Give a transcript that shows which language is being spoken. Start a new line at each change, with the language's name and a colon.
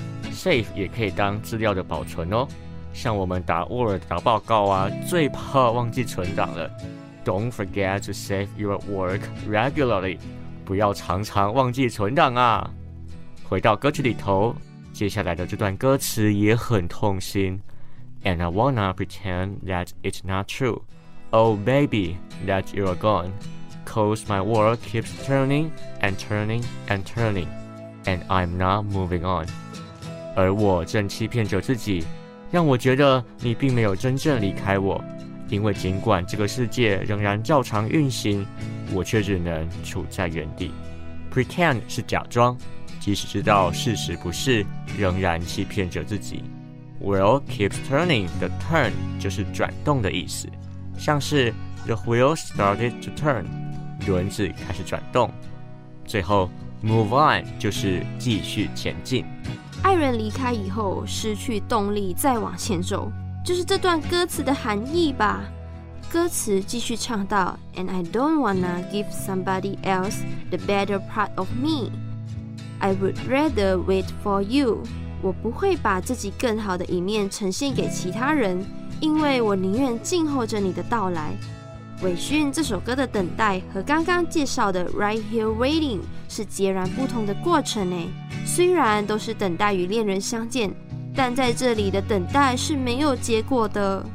Chinese: Save 也可以当资料的保存哦，像我们打 Word 打报告啊，最怕忘记存档了。
English: Don't forget to save your work regularly，
Chinese: 不要常常忘记存档啊。回到歌曲里头，接下来的这段歌词也很痛心。
English: And I wanna pretend that it's not true. Oh baby, that you're gone. Cause my world keeps turning and turning and turning. And I'm not moving on.
Chinese: 而我正欺骗着自己，让我觉得你并没有真正离开我。因为尽管这个世界仍然照常运行，我却只能处在原地。 Pretend 是假装，即使知道事实不是，仍然欺骗着自己。
English: Wheel keeps turning
Chinese: 的 turn 就是转动的意思，像是
English: The wheel started to turn，
Chinese: 轮子开始转动。最后 move on 就是继续前进。爱人离开以后失去动力再往前走，就是这段歌词的含义吧。歌词继续唱到
English: And I don't wanna give somebody else the better part of meI would rather wait for you.
Chinese: 我不会把自己更好的一面呈现给其他人，因为我宁愿静候着你的到来。韦勋这首歌的等待和刚刚介绍的 Right Here Waiting 是截然不同的过程耶，虽然都是等待与恋人相见，但在这里的等待是没有结果的。